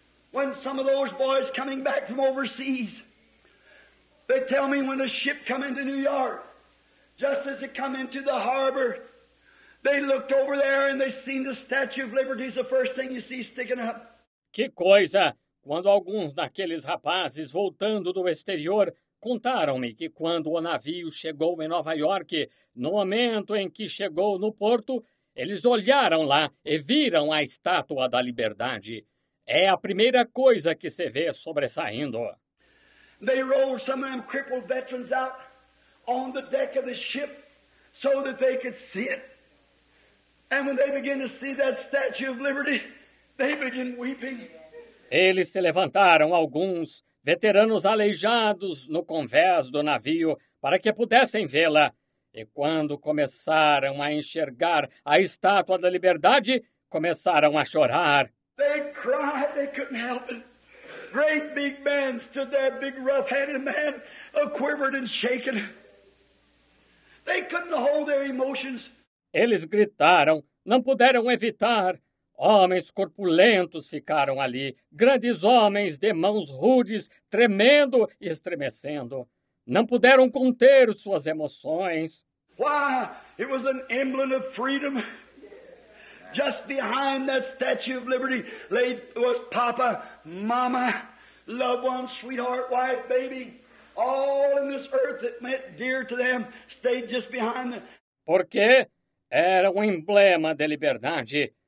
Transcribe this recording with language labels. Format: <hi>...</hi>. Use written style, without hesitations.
<en>When some of those boys coming back from overseas, they tell me when the ship come into New York, just as it come into the harbor, they looked over there and they seen the Statue of Liberty is the first thing you see sticking up.</en> <pt>Que coisa! Quando alguns daqueles rapazes voltando do exterior contaram-me que quando o navio chegou em Nova York, no momento em que chegou no porto, eles olharam lá e viram a Estátua da Liberdade. É a primeira coisa que se vê sobressaindo.</pt> <en>They rolled some of them crippled veterans out on the deck of the ship so that they could see it. And when they began to see that Statue of Liberty, they began weeping.</en> <pt>Eles se levantaram, alguns veteranos aleijados no convés do navio, para que pudessem vê-la. E quando começaram a enxergar a Estátua da Liberdade, começaram a chorar.</pt> <en>They cried, they couldn't help it. Great big man stood there, big rough-handed man, a-quivered and shaken. They couldn't hold their emotions.</en> <pt>Eles gritaram, não puderam evitar. Homens corpulentos ficaram ali, grandes homens de mãos rudes, tremendo e estremecendo. Não puderam conter suas emoções.</pt> <en>Why, it was an emblem of freedom. Just behind that Statue of Liberty lay was Papa, Mama, loved one, sweetheart, wife, baby. All in this earth that meant dear to them stayed just behind them.</en> <pt>Porque era um emblema de liberdade.</pt>